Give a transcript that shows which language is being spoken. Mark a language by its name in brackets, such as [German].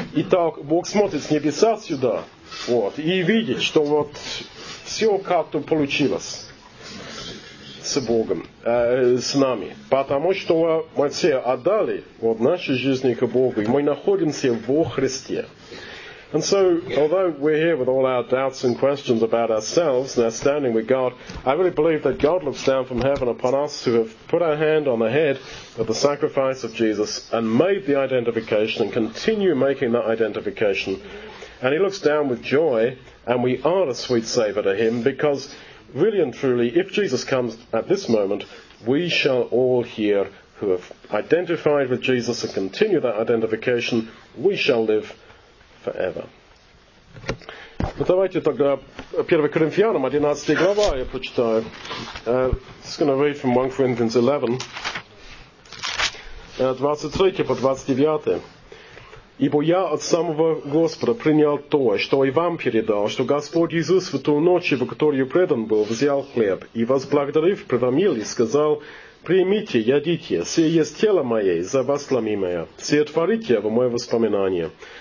[Russian] Итак, Бог смотрит с небеса сюда, вот, и видит, что вот все как-то получилось с Богом, с нами. Потому что мы все отдали вот наши жизни к Богу, и мы находимся во Христе. [English] And so, although we're here with all our doubts and questions about ourselves and our standing with God, I really believe that God looks down from heaven upon us who have put our hand on the head of the sacrifice of Jesus and made the identification and continue making that identification. And he looks down with joy, and we are a sweet savor to him because really and truly, if Jesus comes at this moment, we shall all here who have identified with Jesus and continue that identification, we shall live forever. [Russian] Ну, давайте тогда 1 Коринфянам 11 глава я прочитаю. [English] Just going to read from 1 Corinthians 11, 23 [Russian] по [English] 29. [Russian] Ибо я от самого Господа принял то, что и вам передал, что Господь Иисус в ту ночь, в которую предан был, взял хлеб, и, возблагодарив, преломил и сказал, «Примите, едите, сие есть тело мое, за вас ломимое, сие творите в мое воспоминание».